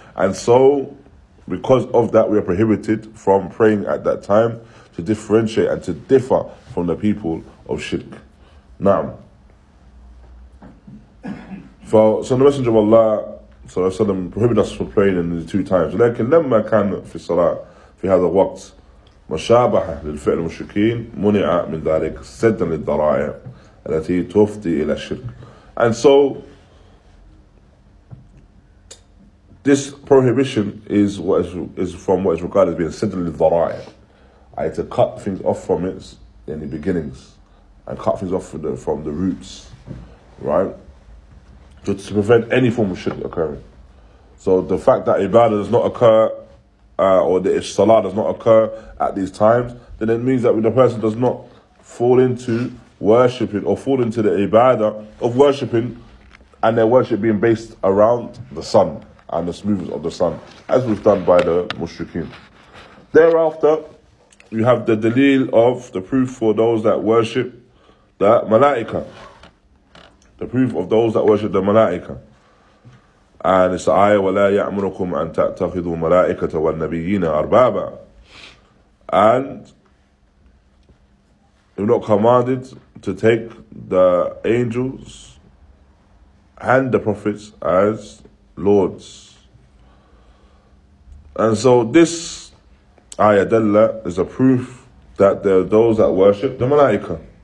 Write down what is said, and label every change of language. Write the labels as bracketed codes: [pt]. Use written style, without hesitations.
[en] And so, because of that, we are prohibited from praying at that time to differentiate and to differ from the people of shirk. Now, so the Messenger of Allah, so I said, prohibited us from praying in the two times. [ar] لكن لما كان في الصلاة في هذا الوقت مشابه للفعل المشركين منع من ذلك سدا للضرائع التي تفضي إلى الشرك. [en] And so, this prohibition is from what is regarded as being [ar] سدا للضرائع. [en] I had to cut things off from its in the beginnings, and cut things off from the roots, right? To prevent any form of shirk occurring. So the fact that ibadah does not occur, or the salah does not occur at these times, then it means that the person does not fall into worshipping, or fall into the ibadah of worshipping, and their worship being based around the sun, and the movements of the sun, as was done by the mushrikeen. Thereafter, you have the dalil of the proof for those that worship the malaika. The proof of those that worship the malaika. And it's the ayah, [ar] وَلَا يَعْمُرُكُمْ أَن تَأْتَخِذُوا مَلَائِكَةَ وَالنَّبِيِّينَ أَرْبَابًا. [en] And you're not commanded to take the angels and the prophets as lords. And so this ayah dalla is a proof that there are those that worship the malaika.